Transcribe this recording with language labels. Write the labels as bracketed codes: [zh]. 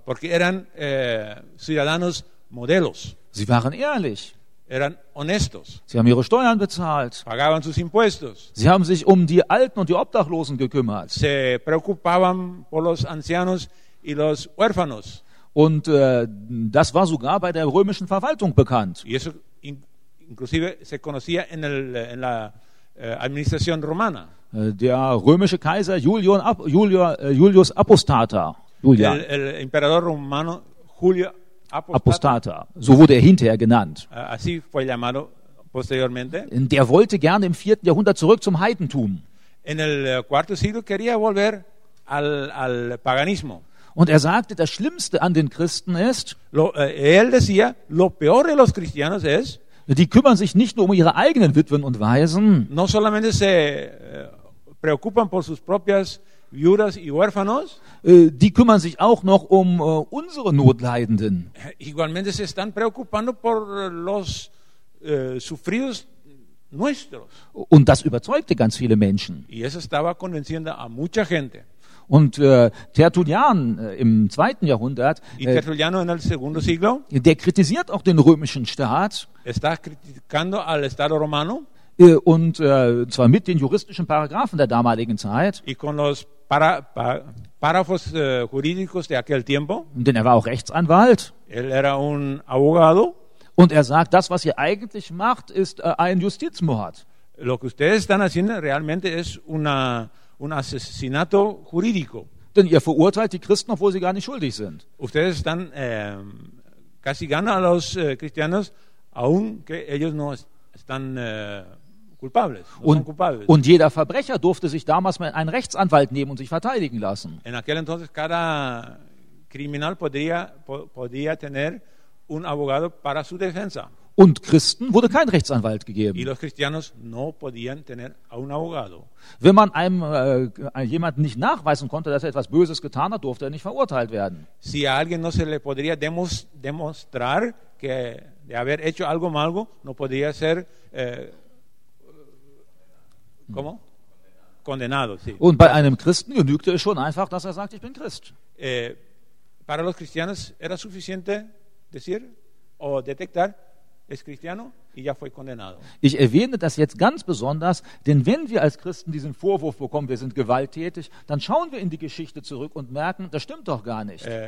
[es] Porque eran ciudadanos modelos. [de] Sie waren ehrlich. [es] Eran honestos. [de] Sie haben ihre Steuern bezahlt. [es] Pagaban sus impuestos. [de] Sie haben sich um die Alten und die Obdachlosen gekümmert. [es] Se preocupaban por los ancianos y los huérfanos. [de] Und das war sogar bei der römischen Verwaltung bekannt. [es] Y eso inclusive se conocía en la administración romana. [de] Der römische Kaiser Julius Apostata. Julian. [es] El emperador romano Julio Apostata. Apostata. [de] So wurde er hinterher genannt. [es] Así fue llamado posteriormente. [de] Der wollte gerne im 4. Jahrhundert zurück zum Heidentum. [es] En el cuarto siglo quería volver al paganismo. [de] Und er sagte, das Schlimmste an den Christen ist, [es] él decía, lo peor de los cristianos es, [de] die kümmern sich nicht nur um ihre eigenen Witwen und Waisen, [es] no solamente se preocupan por sus propias viudas y huérfanos, [de] die kümmern sich auch noch um unsere Notleidenden. [es] Igualmente se están preocupando por los sufridos nuestros. [de] Und das überzeugte ganz viele Menschen. [es] Y eso estaba convenciendo a mucha gente. [de] Und Tertullian im zweiten Jahrhundert, [es] Tertulliano en el segundo siglo, [de] der kritisiert auch den römischen Staat. [es] Está criticando al Estado romano. [de] Und zwar mit den juristischen Paragraphen der damaligen Zeit. [es] Y con los párrafos jurídicos de aquel tiempo. [de] Denn er war auch Rechtsanwalt. [es] Él era un abogado. [de] Und er sagt, das, was ihr eigentlich macht, ist ein Justizmord. [es] Lo que ustedes están haciendo realmente es un asesinato jurídico. [de] Denn ihr verurteilt die Christen, obwohl sie gar nicht schuldig sind. [es] Ustedes están castigando a los cristianos, aunque ellos no están culpables. [de] Und jeder Verbrecher durfte sich damals mal einen Rechtsanwalt nehmen und sich verteidigen lassen. [es] En aquel entonces cada criminal podía tener un abogado para su defensa. [de] Und Christen wurde kein Rechtsanwalt gegeben. [es] Y los cristianos no podían tener a un abogado. [de] Wenn man einem jemanden nicht nachweisen konnte, dass er etwas Böses getan hat, durfte er nicht verurteilt werden. [es] Si a alguien no se le podría demostrar que de haber hecho algo malo, no podía ser ¿cómo? Condenado, sí. [de] Und bei einem Christen genügte es schon einfach, dass er sagt, ich bin Christ. [es] Para los cristianos era suficiente decir o detectar es cristiano y ya fue condenado. [de] Ich erwähne das jetzt ganz besonders, denn wenn wir als Christen diesen Vorwurf bekommen, wir sind gewalttätig, dann schauen wir in die Geschichte zurück und merken, das stimmt doch gar nicht.